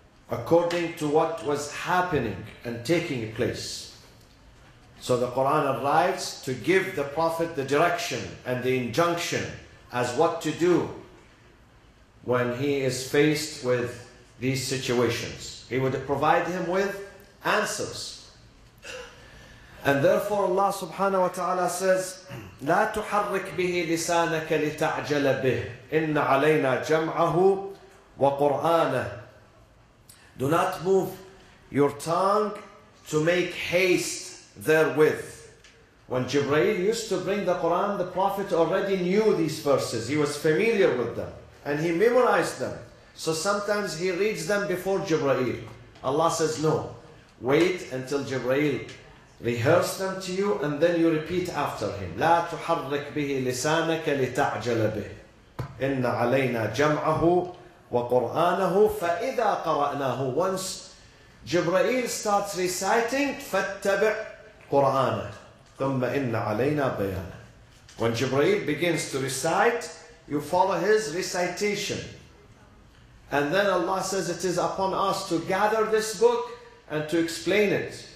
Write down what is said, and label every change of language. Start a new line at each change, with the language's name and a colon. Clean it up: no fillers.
English: According to what was happening and taking place. So the Quran arrives to give the Prophet the direction and the injunction as what to do when he is faced with these situations. He would provide him with answers. And therefore Allah subhanahu wa ta'ala says,
Arabic: لا تحرك به لسانك لتعجل به إن علينا جمعه وقرآنه.
English: Do not move your tongue to make haste therewith. When Jibreel used to bring the Quran, the Prophet already knew these verses. He was familiar with them. And he memorized them. So sometimes he reads them before Jibreel. Allah says, no. Wait until Jibreel rehearse them to you and then you repeat after him.
Arabic: لا تحرك به لسانك لتعجل به. إن علينا جمعه وقرآنه فإذا قرأناه.
English: Once Jibreel starts reciting,
Arabic: فاتبع قرآنه. ثم إن علينا بيانه.
English: When Jibreel begins to recite, you follow his recitation. And then Allah says, it is upon us to gather this book and to explain it.